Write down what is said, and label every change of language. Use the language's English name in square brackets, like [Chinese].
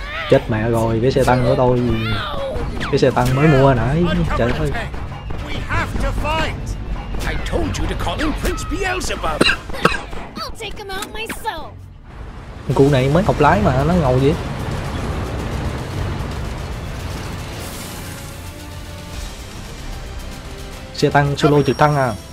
[Vietnamese] Chết mẹ rồi, cái xe tăng của tôi. Cái xe tăng mới mua nãy. Trời ơi. [English] We have to fight. I told you to call him Prince Beelzebub. I'll take him out myself. [Vietnamese] Cụ này mới học lái mà nó ngầu vậy. Xe tăng solo trực thăng à.